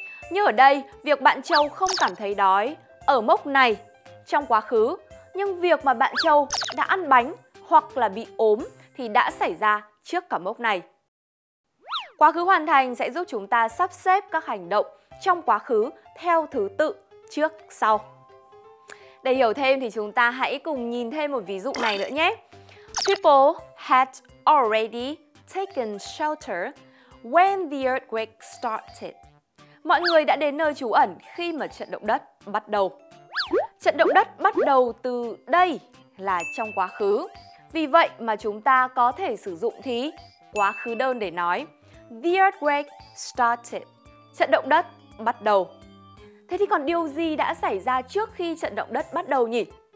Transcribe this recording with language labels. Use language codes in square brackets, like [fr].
[vi] Như ở đây, việc bạn Châu không cảm thấy đói ở mốc này trong quá khứ, nhưng việc mà bạn Châu đã ăn bánh hoặc là bị ốm thì đã xảy ra trước cả mốc này. Quá khứ hoàn thành sẽ giúp chúng ta sắp xếp các hành động trong quá khứ theo thứ tự trước sau. Để hiểu thêm thì chúng ta hãy cùng nhìn thêm một ví dụ này nữa nhé. [en] People had already taken shelter when the earthquake started. [vi] Mọi người đã đến nơi trú ẩn khi mà trận động đất bắt đầu. Trận động đất bắt đầu từ đây là trong quá khứ. Vì vậy mà chúng ta có thể sử dụng thì quá khứ đơn để nói [en] the earthquake started. [vi] Trận động đất bắt đầu. Thế thì còn điều gì đã xảy ra trước khi trận động đất bắt đầu nhỉ?